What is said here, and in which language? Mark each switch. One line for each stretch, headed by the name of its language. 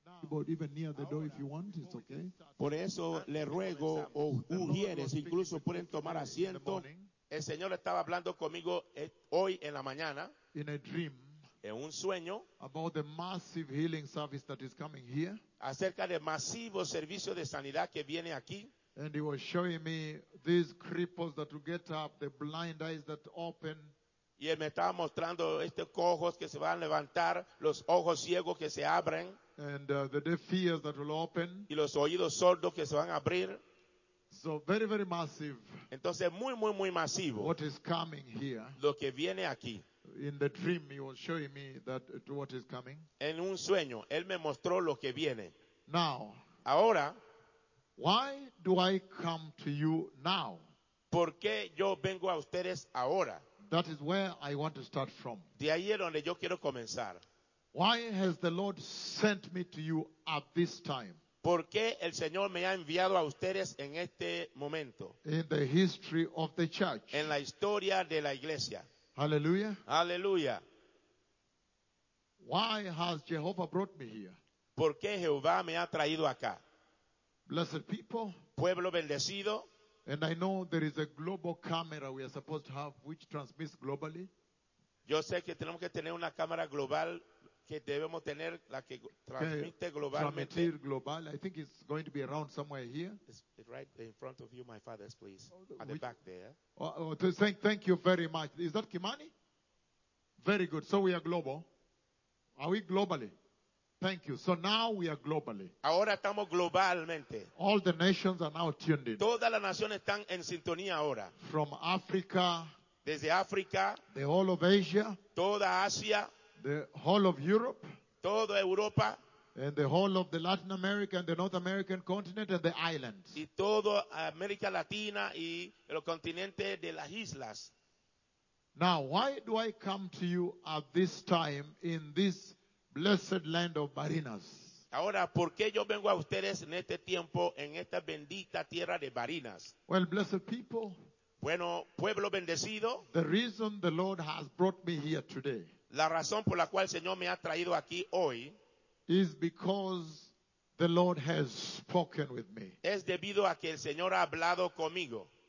English: But even near the door, if you want, it's okay.
Spanish: Por eso le ruego, o ujieres, incluso pueden tomar asiento. El Señor estaba hablando conmigo hoy en la mañana.
English: In a dream.
Spanish: En un sueño.
English: About the massive healing service that is coming here.
Spanish: Acerca del masivo servicio de sanidad que viene aquí.
English: And he was showing me these cripples that will get up, the blind eyes that open.
Spanish: Y él me estaba mostrando estos cojos que se van a levantar, los ojos ciegos que se abren.
English: And the deaf ears that will open.
Spanish: Y los oídos sordos que se van a abrir.
English: So very, very massive.
Spanish: Entonces muy, muy, muy masivo.
English: What is coming here?
Spanish: Lo que viene aquí.
English: In the dream, he was showing me that what is coming.
Spanish: En un sueño, él me mostró lo que viene.
English: Now.
Spanish: Ahora.
English: Why do I come to you now?
Spanish: ¿Por qué yo vengo a ustedes ahora?
English: That is where I want to start from.
Spanish: De ahí es donde yo quiero comenzar.
English: Why has the Lord sent me to you at this time?
Spanish: ¿Por qué el Señor me ha enviado a ustedes en este momento?
English: In the history of the church.
Spanish: En la historia de la iglesia.
English: Hallelujah.
Spanish: Hallelujah.
English: Why has Jehovah brought me here?
Spanish: ¿Por qué Jehová me ha traído acá?
English: Blessed people.
Spanish: Pueblo bendecido.
English: And I know there is a global camera we are supposed to have which transmits globally.
Spanish: Yo sé que tenemos que tener una cámara global que debemos tener la que transmite globalmente. Transmitir global.
English: I think it's going to be around somewhere here. It's right in front of you, my fathers, please. At the back there. Thank you very much. Is that Kimani? Very good. So we are global. Are we globally? Thank you. So now we are globally.
Spanish: Ahora estamos globalmente.
English: All the nations are now tuned in.
Spanish: Todas las naciones están en sintonía ahora.
English: From Africa.
Spanish: Desde África.
English: The whole of Asia.
Spanish: Toda Asia.
English: The whole of Europe.
Spanish: Toda Europa.
English: And the whole of the Latin America and the North American continent and the islands.
Spanish: Y toda América Latina y el continente de las islas.
English: Now, why do I come to you at this time in this blessed land of Barinas?
Spanish: Ahora, ¿por qué yo vengo a ustedes en este tiempo en esta bendita tierra de Barinas?
English: Well, blessed people.
Spanish: Bueno, pueblo bendecido.
English: The reason the Lord has brought me here today.
Spanish: La razón por la cual el Señor me ha traído aquí hoy.
English: Is because the Lord has spoken with me.
Spanish: Es debido a que el Señor ha hablado conmigo.